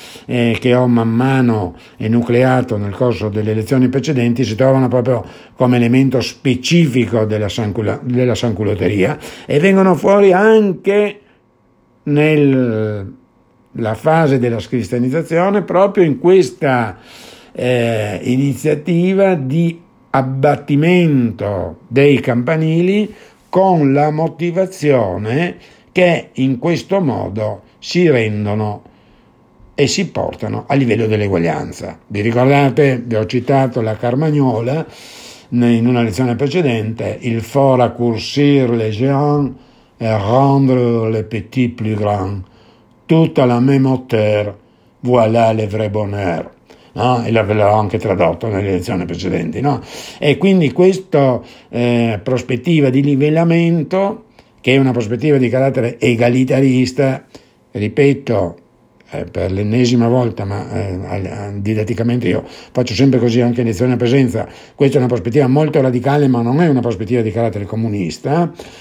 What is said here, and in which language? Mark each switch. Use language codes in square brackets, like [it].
[it] che ho man mano enucleato nel corso delle lezioni precedenti si trovano proprio come elemento specifico della sanculotteria, e vengono fuori anche nella fase della scristianizzazione, proprio in questa iniziativa di abbattimento dei campanili, con la motivazione che in questo modo si rendono e si portano a livello dell'eguaglianza. Vi ricordate, vi ho citato la Carmagnola in una lezione precedente, [fr] il fort à courcir les géants et rendre les petits plus grands, tout à la même hauteur, voilà le vrai bonheur. [it] No? E ve l'ho anche tradotto nelle lezioni precedenti. No? E quindi questa prospettiva di livellamento, che è una prospettiva di carattere egalitarista, ripeto per l'ennesima volta, ma didatticamente io faccio sempre così anche in lezione a presenza, questa è una prospettiva molto radicale, ma non è una prospettiva di carattere comunista,